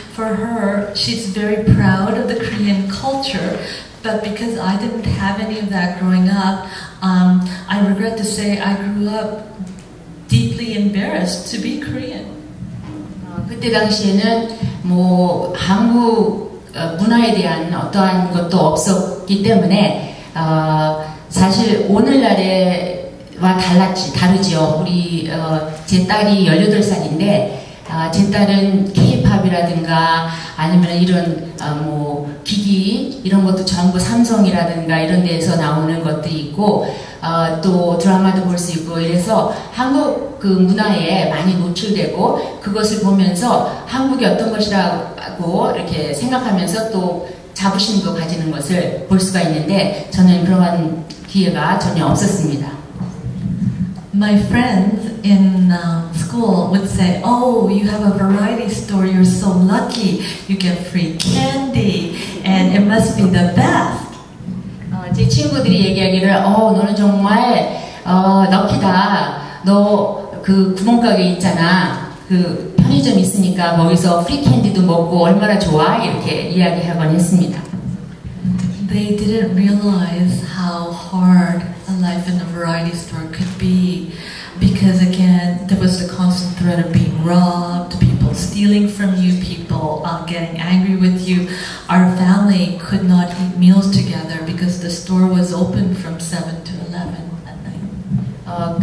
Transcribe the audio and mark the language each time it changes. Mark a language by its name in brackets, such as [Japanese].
[English] For her, she's very proud of the Korean culture. But because I didn't have any of that growing up, I regret to say I grew up deeply embarrassed to be Korean. [Korean] 그때 당시에는 뭐 한국 문화에 대한 어떠한 것도 없었기 때문에 사실 오늘날에와 다르지요. 우리 제 딸이 18살인데 제 딸은 K-pop이라든가 아니면 이런 뭐 기기 이런 것도 전부 삼성이라든가 이런 데에서 나오는 것들이 있고 또 드라마도 볼 수 있고 이래서 한국 그 문화에 많이 노출되고 그것을 보면서 한국이 어떤 것이라고 이렇게 생각하면서 또 자부심도 가지는 것을 볼 수가 있는데 저는 그러한 기회가 전혀 없었습니다. [English] My friends in school would say, oh, you have a variety store, you're so lucky, you get free candy, and it must be the best. [Korean] 제 친구들이 얘기하기를, 너는 정말 럭키다, 너 그 구멍가게 있잖아, 그 편의점 있으니까 거기서 [English] free candy [Korean] 도 먹고 얼마나 좋아, 이렇게 이야기하곤 했습니다. [English] They didn't realize how hard a life in a variety store could be because again, there was the constant threat of being robbed, people stealing from you, people getting angry with you. Our family could not eat meals together because the store was open from 7 to 11 at night.